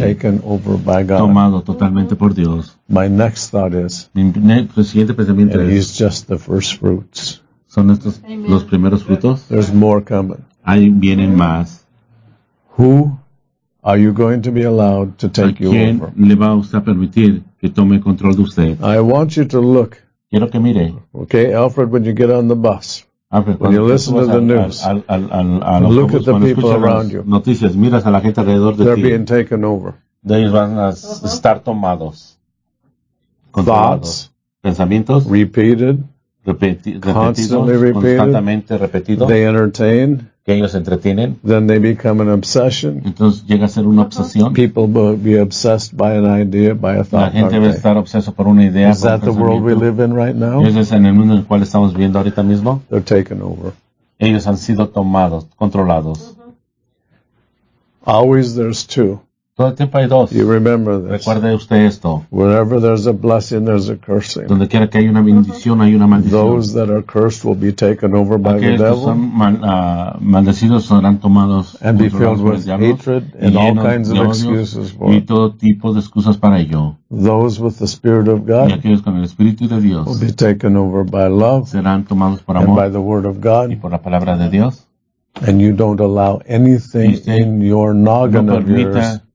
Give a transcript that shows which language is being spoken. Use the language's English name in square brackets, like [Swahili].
[English] taken over by God. [Spanish] Tomado totalmente por Dios. [English] My next thought is, [Spanish] siguiente pensamiento [English] es, he's just the first fruits. [Spanish] Son estos Amen. Los primeros frutos. [English] There's more coming. [Spanish] Ahí vienen más. [English] Who are you going to be allowed to take you over? [Spanish] ¿A quién le va a usted permitir que tome control de usted? [English] I want you to look. [Spanish] Quiero que mire. [English] Okay, Alfred, when you get on the bus. When you listen to the news, look at the people around you. [Spanish] Noticias, miras a la gente alrededor de ti. [English] They're being taken over. [Spanish] Ellos van a estar tomados. [English] Thoughts, [Spanish] pensamientos, [English] repeated, constantly repeated, [Spanish] constantemente repetidos. [English] They entertain. [Spanish] Que ellos entretienen. [English] Then they become an obsession. [Spanish] Entonces llega a ser una obsesión. [English] People will be obsessed by an idea, by a thought. [Spanish] La gente debe estar obseso por una idea. [English] Is that the world we live in right now? [Spanish] ¿Es ese en el mundo en el cual estamos viviendo ahorita mismo? [English] They're taken over. [Spanish] Ellos han sido tomados, controlados. [English] Always there's two. [Spanish] Todo el tiempo hay dos. [English] You remember this. [Spanish] Recuerde usted esto. [English] Wherever there's a blessing, there's a cursing. [Spanish] Donde quiera que haya una bendición, hay una maldición. [English] Those that are cursed will be taken over by the devil. [Spanish] Aquellos que son maldecidos serán tomados por el diablo. [English] And be filled with hatred and all kinds of excuses for it. [Spanish] Y todo tipo de excusas para ello. [English] Those with the Spirit of God. [Spanish] Y aquellos con el Espíritu de Dios. [English] Will be taken over by love. [Spanish] Serán tomados por amor. [English] And by the Word of God. [Spanish] Y por la palabra de Dios. [English] And you don't allow anything in your noggin of yours.